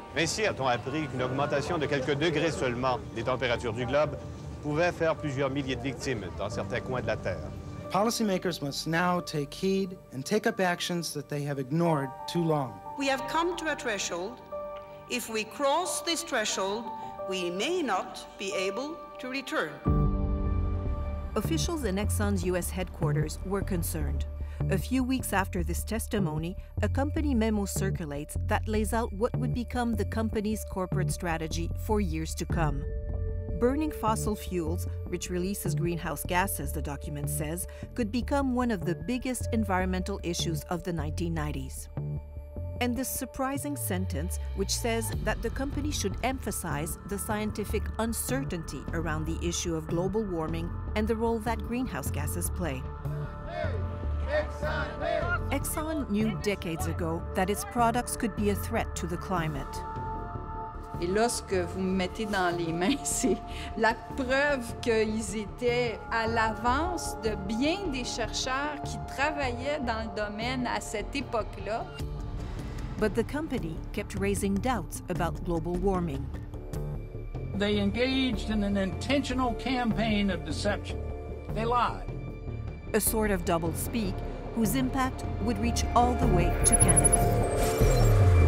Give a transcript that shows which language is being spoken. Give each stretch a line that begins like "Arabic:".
French: Messieurs, on a appris qu'une augmentation de quelques degrés seulement des températures du globe pouvait faire plusieurs milliers de victimes dans certains coins de la Terre.
English: Policymakers must now take heed and take up actions that they have ignored too long. We have come to a threshold. If we cross this threshold, we may not be able to return. Officials in Exxon's U.S. headquarters were concerned. A few weeks after this testimony, a company memo circulates that lays out what would become the company's corporate strategy for years to come. Burning fossil fuels, which releases greenhouse gases, the document says, could become one of the biggest environmental issues of the 1990s. And this surprising sentence, which says that the company should emphasize the scientific uncertainty around the issue of global warming and the role that greenhouse gases play. Exxon knew decades ago that its products could be a threat to the climate.
French: Et lorsque vous me mettez dans les mains, c'est la preuve qu'ils étaient à l'avance de bien des chercheurs qui travaillaient dans le domaine à cette époque-là.
English: But the company kept raising doubts about global warming. They engaged in an intentional campaign of deception. They lied. A sort of double speak whose impact would reach all the way to Canada.